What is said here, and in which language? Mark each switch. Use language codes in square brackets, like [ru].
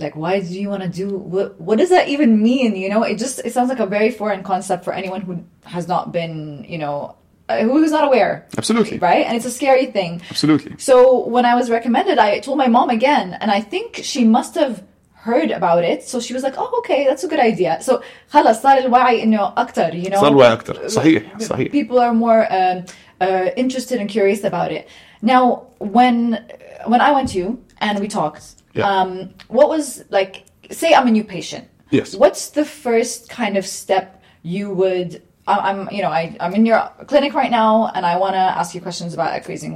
[en] Why do you want to do, what does that even mean? It sounds like a very foreign concept for anyone who has not been, who's not aware. Absolutely. Right? And it's a scary thing. Absolutely. So when I was recommended, I told my mom again, and I think she must have heard about it. So she was like, oh, okay, that's a good idea. [ar] So خلاص صار الوعي إنه أكتر, صار الوعي أكتر. صحيح. [en] People are more interested and curious about it. Now, when I went to you, and we talked. Yeah. What was, say I'm a new patient. Yes. What's the first kind of step you would, I'm in your clinic right now, and I want to ask you questions about egg freezing.